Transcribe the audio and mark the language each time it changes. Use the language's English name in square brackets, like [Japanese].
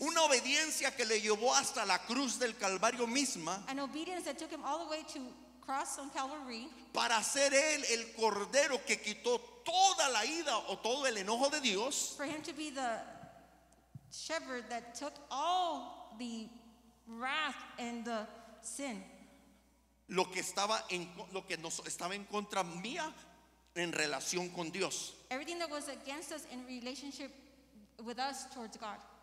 [Spanish] una obediencia que le llevó hasta la cruz del Calvario misma, [English] an obedience that took him all the way to cross on Calvary, [Spanish] para ser él el cordero que quitó toda la ira o todo el enojo de Dios, [English] for him to be the shepherd that took all the wrath and the sin, [Spanish] lo que estaba en, lo que nos estaba en contra mía en relación con Dios, [English] everything that was against us in relationship with us towards God,